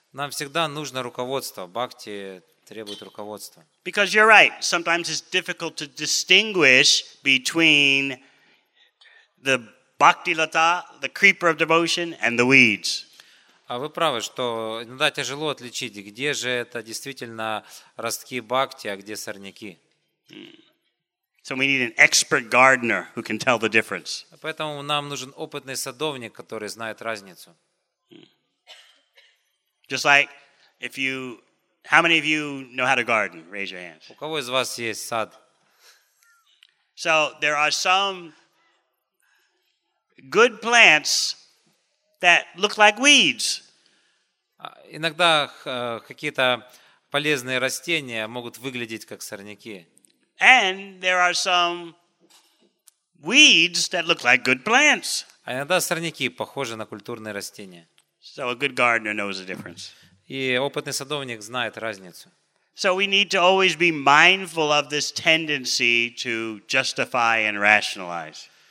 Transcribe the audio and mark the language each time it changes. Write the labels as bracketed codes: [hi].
[ru] Нам всегда нужно руководство. Бхакти требует руководства. [en] Because you're right, sometimes it's difficult to distinguish between the bhakti lata, the creeper of devotion, and the weeds. [ru] А вы правы, что иногда тяжело отличить, где же это действительно ростки бхакти, а где сорняки. [en] So we need an expert gardener who can tell the difference. [ru] Поэтому нам нужен опытный садовник, который знает разницу. [en] Just like if you, how many of you know how to garden? Raise your hands. [ru] У кого из вас есть сад? [en] So there are some good plants that look like weeds. [ru] Иногда какие-то полезные растения могут выглядеть как сорняки. [en] And there are some weeds that look like good plants. [ru] А иногда сорняки похожи на культурные растения. [en] So a good gardener knows the difference. [ru] И опытный садовник знает разницу. [en] So we need to always be mindful of this tendency to justify and rationalize.